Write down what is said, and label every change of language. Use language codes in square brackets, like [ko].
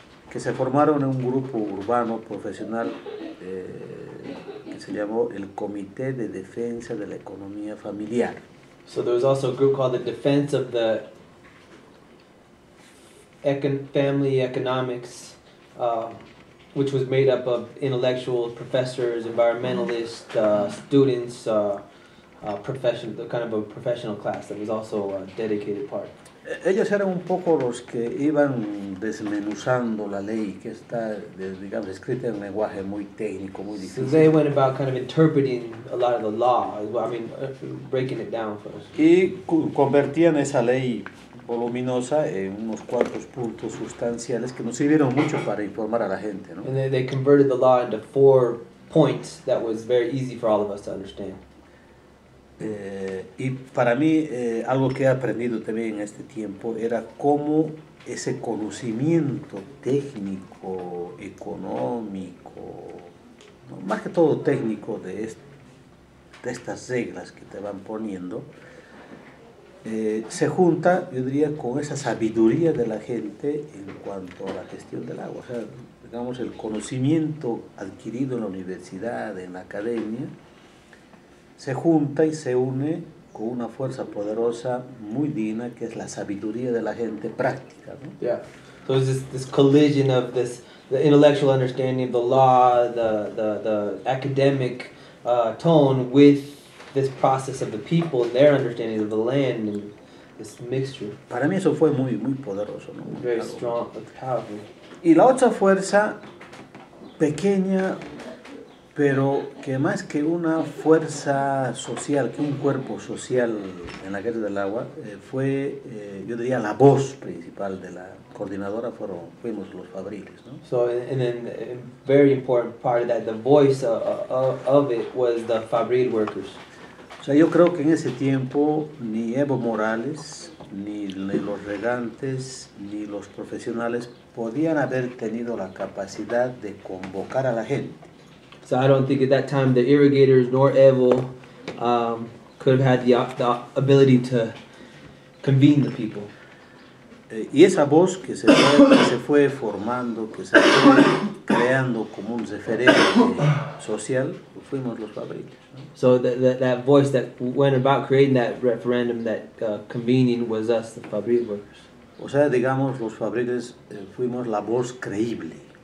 [es] Que se formaron en un grupo urbano profesional que se llamó el Comité de Defensa de la Economía Familiar. [en] So there was also a group called the Defense of the Family Economics, which was made up of intellectuals, professors, environmentalists, students, profession, the kind of a professional class that was also a dedicated part. [es] Ellos eran un poco los que iban desmenuzando la ley que está, digamos, escrita en un lenguaje muy técnico, muy difícil. [en] So they went about kind of interpreting a lot of the law, I mean, breaking it down for us. [es] Y convertían esa ley voluminosa en unos cuantos puntos sustanciales que nos sirvieron mucho para informar a la gente, ¿no? [en] And they converted the law into four points that was very easy for all of us to understand. [es] Y para mí, algo que he aprendido también en este tiempo era cómo ese conocimiento técnico, económico, ¿no? Más que todo técnico de estas reglas que te van poniendo, se junta, yo diría, con esa sabiduría de la gente en cuanto a la gestión del agua. O sea, digamos, el conocimiento adquirido en la universidad, en la academia, se junta y se une con una fuerza poderosa muy digna que es la sabiduría de la gente práctica, ¿no? [en] Yeah. So there's this collision of the intellectual understanding of the law, the academic tone with this process of the people and their understanding of the land and this mixture. [es] Para mí eso fue muy muy poderoso, ¿no? Muy [en] very strong, powerful. [es] Y la otra fuerza pequeña, pero que más que una fuerza social, que un cuerpo social en la guerra del agua, fue yo diría la voz principal de la coordinadora fuimos los fabriles, ¿no? [en] So and then a very important part of that, the voice of it was the fabril workers. [es] O sea, yo creo que en ese tiempo ni Evo Morales, ni los regantes, ni los profesionales podían haber tenido la capacidad de convocar a la gente. [en] So I don't think at that time the irrigators nor Evo could have had the ability to convene the people. [es] Y esa voz que se fue formando, que se fue creando como un referente social, fuimos los fabriles, ¿no? [en] So that voice that went about creating that referendum, that convening, was us, the fabril workers. [es] O sea, digamos, los fabriles fuimos la voz creíble.